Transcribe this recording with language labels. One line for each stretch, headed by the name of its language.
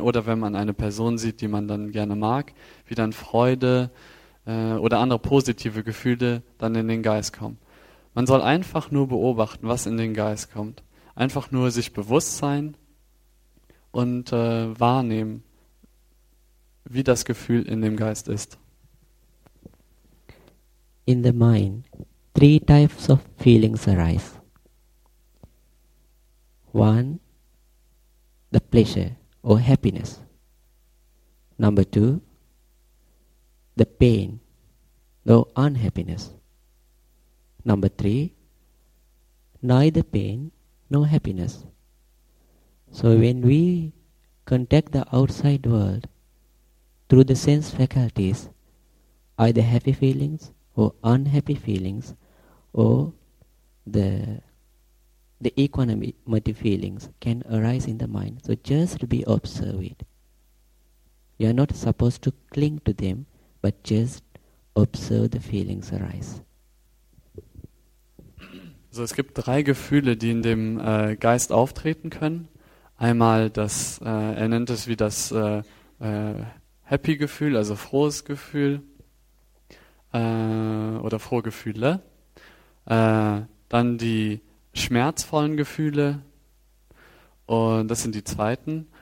German: Oder wenn man eine Person sieht, die man dann gerne mag, wie dann Freude oder andere positive Gefühle dann in den Geist kommen. Man soll einfach nur beobachten, was in den Geist kommt. Einfach nur sich bewusst sein und wahrnehmen, wie das Gefühl in dem Geist ist.
English: In the mind, three types of feelings arise. One, the pleasure or happiness. Number two, the pain or unhappiness. Number three, neither pain nor happiness. So when we contact the outside world, through the sense faculties, either happy feelings or unhappy feelings, or the equanimity feelings can arise in the mind. So just be observe it. You are not supposed to cling to them, but just observe the feelings arise.
German: So es gibt drei Gefühle, die in dem Geist auftreten können. Einmal das, er nennt es wie das Happy Gefühl, also frohes Gefühl oder frohe Gefühle. Dann die schmerzvollen Gefühle und das sind die zweiten.